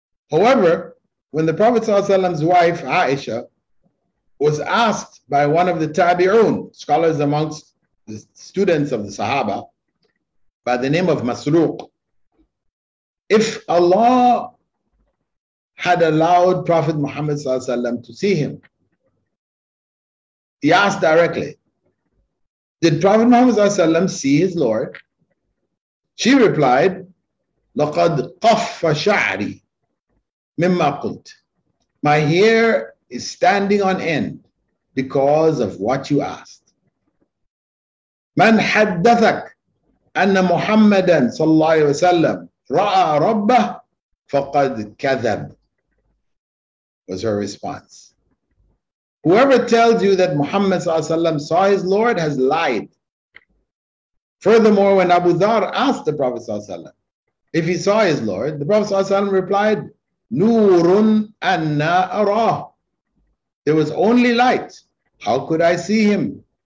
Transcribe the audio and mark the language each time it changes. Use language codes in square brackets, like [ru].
[en] However, when the Prophet sallallahu alaihi wasallam's wife Aisha was asked by one of the tabi'un, scholars amongst the students of the Sahaba, by the name of Masruq, if Allah had allowed Prophet Muhammad sallallahu alaihi wasallam to see him, he asked directly, "Did Prophet Muhammad sallallahu alaihi wasallam see his Lord?" She replied, [ar] "لَقَدْ قَفَّ شَعْرِي مِمَّا قُلْتْ." [en] "My hair is standing on end because of what you asked." [ar] "مَنْ حَدَّثَكْ أَنَّ مُحَمَّدًا صَلَّى اللَّهُ عَلَيْهِ وَسَلَّمْ رَأَى رَبَّهُ فَقَدْ كَذَبْ," [en] was her response. "Whoever tells you that Muhammad صلى الله عليه وسلم saw his Lord has lied. Furthermore, when Abu Dharr asked the Prophet if he saw his Lord, the Prophet replied, [ar] 'Nurun anna arah.' [en] There was only light. How could I see him?